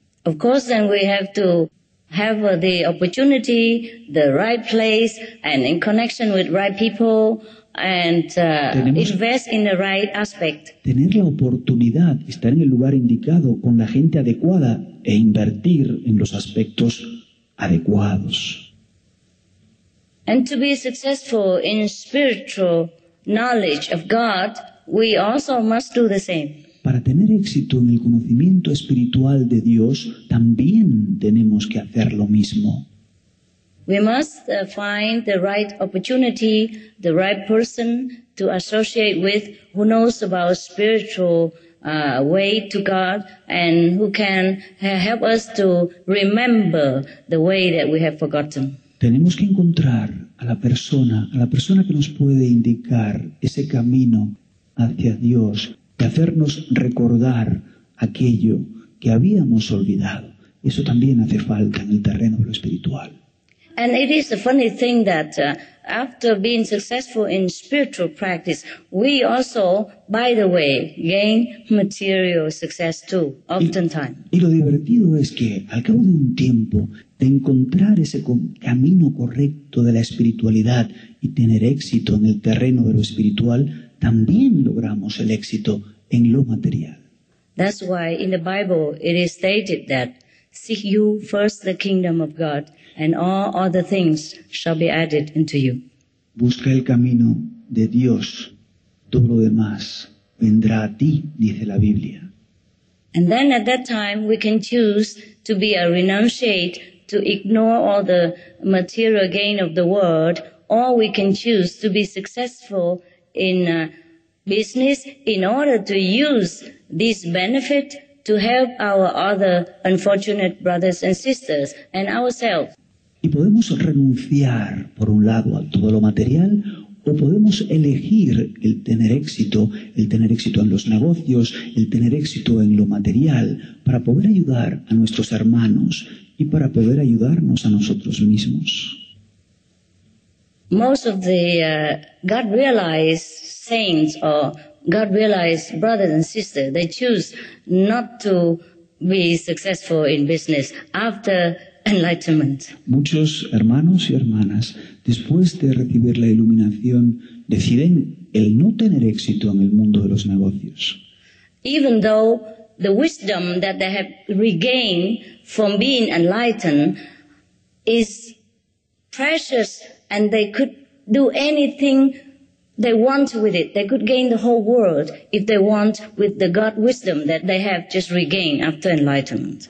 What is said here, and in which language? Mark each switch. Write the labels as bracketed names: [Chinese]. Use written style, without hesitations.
[English] Of course, then we have to have the opportunity, the right place, and in connection with right people, and invest in the right aspect. [Spanish] Tener la oportunidad, estar en el lugar indicado, con la gente adecuada, e invertir en los aspectos adecuados. [English] And to be successful in spiritual knowledge of God, we also must do the same. [Spanish] Para tener éxito en el conocimiento espiritual de Dios, también tenemos que hacer lo mismo. [English] We must find the right opportunity, the right person to associate with who knows about spiritual way to God and who can help us to remember the way that we have forgotten. [Spanish] Tenemos que encontrar a la persona que nos puede indicar ese camino hacia Dios y hacernos recordar aquello que habíamos olvidado. Eso también hace falta en el terreno de lo espiritual. [English] And it is a funny thing that after being successful in spiritual practice, we also, by the way, gain material success too, oftentimes. [Spanish] Y lo divertido es que al cabo de un tiempo de encontrar ese camino correcto de la espiritualidad y tener éxito en el terreno de lo espiritual, también logramos el éxito en lo material. [English] That's why in the Bible it is stated that seek you first the kingdom of God and all other things shall be added unto you. [Spanish] Busca el camino de Dios, todo lo demás vendrá a ti, dice la Biblia. [English] And then at that time we can choose to be a renunciate, to ignore all the material gain of the world, or we can choose to be successful in business in order to use this benefit to help our other unfortunate brothers and sisters and ourselves. [Spanish] Y podemos renunciar, por un lado, a todo lo material, o podemos elegir el tener éxito en los negocios, el tener éxito en lo material, para poder ayudar a nuestros hermanos y para poder ayudarnos a nosotros mismos. [English] Most of the God-realized saints or God-realized brothers and sisters, they choose not to be successful in business after enlightenment. [Spanish] Muchos hermanos y hermanas, después de recibir la iluminación, deciden el no tener éxito en el mundo de los negocios. [English] Even though the wisdom that they have regained from being enlightened is precious and they could do anything they want with it. They could gain the whole world if they want with the God wisdom that they have just regained after enlightenment.